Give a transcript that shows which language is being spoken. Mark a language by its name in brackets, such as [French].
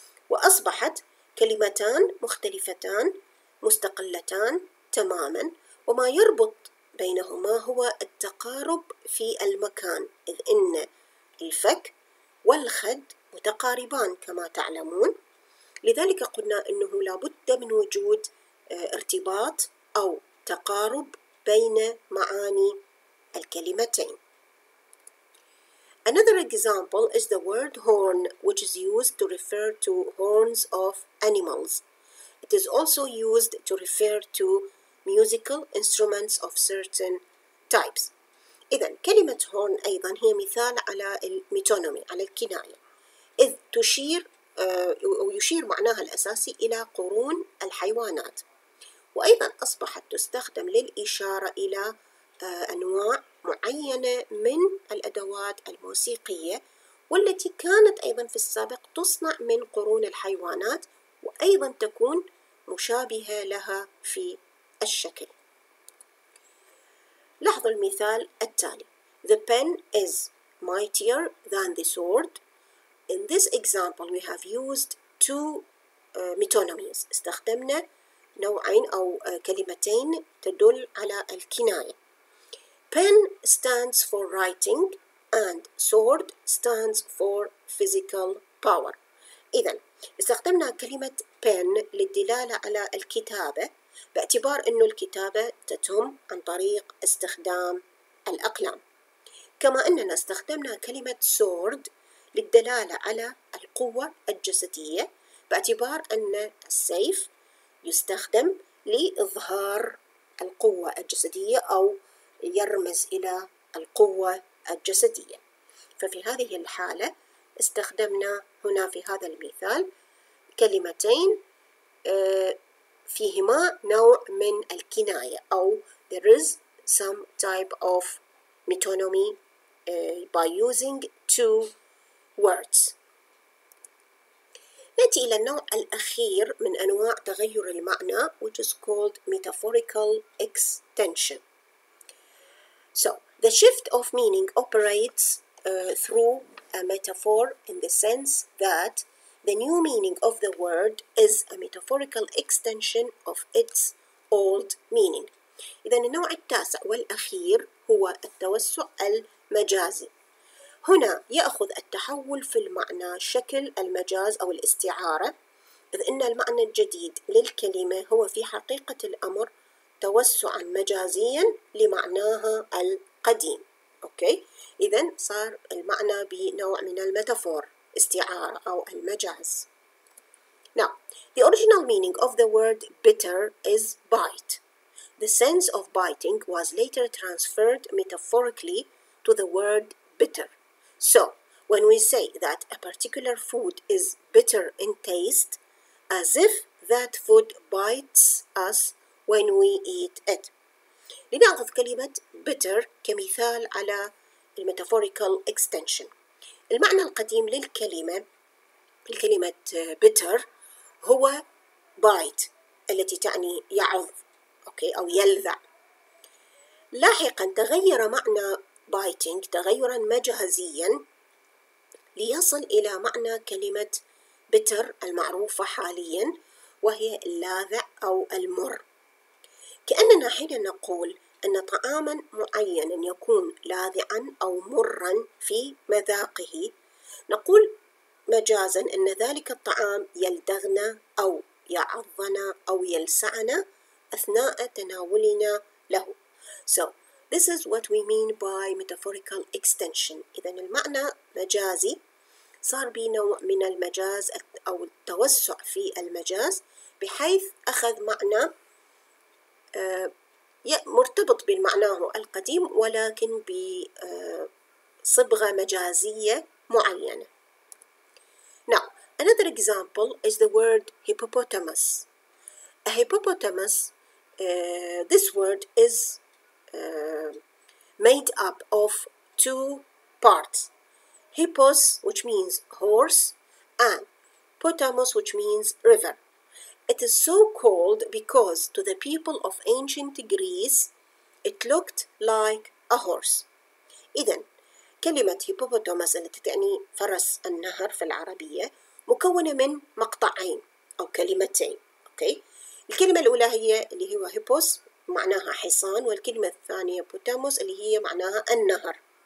[Arabic] وأصبحت كلمتان مختلفتان مستقلتان تماما، وما يربط بينهما هو التقارب في المكان، إذ إن الفك والخد متقاربان كما تعلمون. لذلك قلنا أنه لابد من وجود ارتباط أو تقارب بين معاني الكلمتين. [English] Another example is the word horn, which is used to refer to horns of animals. It is also used to refer to musical instruments of certain types. [Arabic] إذن كلمة horn أيضا هي مثال على الميتونومي على الكناية. إذ تشير أو يشير معناها الأساسي إلى قرون الحيوانات، وأيضا أصبحت تستخدم للإشارة إلى أنواع معينة من الأدوات الموسيقية، والتي كانت أيضا في السابق تصنع من قرون الحيوانات، وأيضا تكون مشابهة لها في الشكل. لاحظوا المثال التالي: [English] The pen is mightier than the sword. In this example, we have used two metonymies. [Arabic] استخدمنا نوعين أو كلمتين تدل على الكناية. [English] Pen stands for writing and sword stands for physical power. [Arabic] إذن استخدمنا كلمة pen للدلالة على الكتابة، باعتبار أن الكتابة تتم عن طريق استخدام الأقلام، كما أننا استخدمنا كلمة sword للدلالة على القوة الجسدية، باعتبار أن السيف يستخدم لإظهار القوة الجسدية أو يرمز إلى القوة الجسدية. ففي هذه الحالة استخدمنا هنا في هذا المثال كلمتين فيهما نوع من الكناية، أو [English] there is some type of metonymy by using two words. [Arabic] نأتي إلى النوع الأخير من أنواع تغير المعنى، [English] which is called metaphorical extension. So, the shift of meaning operates through a metaphor in the sense that the new meaning of the word is a metaphorical extension of its old meaning. [Arabic] إذن النوع التاسع والأخير هو التوسع المجازي. هنا يأخذ التحول في المعنى شكل المجاز أو الاستعارة، إذ إن المعنى الجديد للكلمة هو في حقيقة الأمر توسعاً مجازياً لمعناها القديم. أوكي؟ إذن صار المعنى بنوع من الميتافور، استعارة أو المجاز. [English] Now, the original meaning of the word bitter is bite. The sense of biting was later transferred metaphorically to the word bitter. So, when we say that a particular food is bitter in taste, as if that food bites us when we eat it. [Arabic] لنأخذ كلمة bitter كمثال على metaphorical extension. المعنى القديم للكلمة، الكلمة bitter هو bite التي تعني يعض أو يلذع. لاحقا تغير معنى biting تغيرا مجازيا ليصل إلى معنى كلمة bitter المعروفة حاليا، وهي اللاذع أو المر. كأننا حين نقول أن طعاما معينا يكون لاذعا أو مرا في مذاقه، نقول مجازا أن ذلك الطعام يلدغنا أو يعضنا أو يلسعنا أثناء تناولنا له. [English] So, this is what we mean by metaphorical extension. [Arabic] إذن المعنى مجازي صار بنوع من المجاز أو التوسع في المجاز، بحيث أخذ معنى مرتبط بمعناه القديم ولكن بصبغة مجازية معينة. [English] Now, another example is the word hippopotamus. A hippopotamus, this word is made up of two parts. Hippos, which means horse, and potamus, which means river. It is so called because to the people of ancient Greece, it looked like a horse. [Arabic] إذن كلمة hippopotamus التي تعني فرس النهر في العربية مكونة من مقطعين أو كلمتين. أوكي؟ الكلمة الأولى هي اللي هو hippos معناها حصان، والكلمة الثانية potamus اللي هي معناها النهر.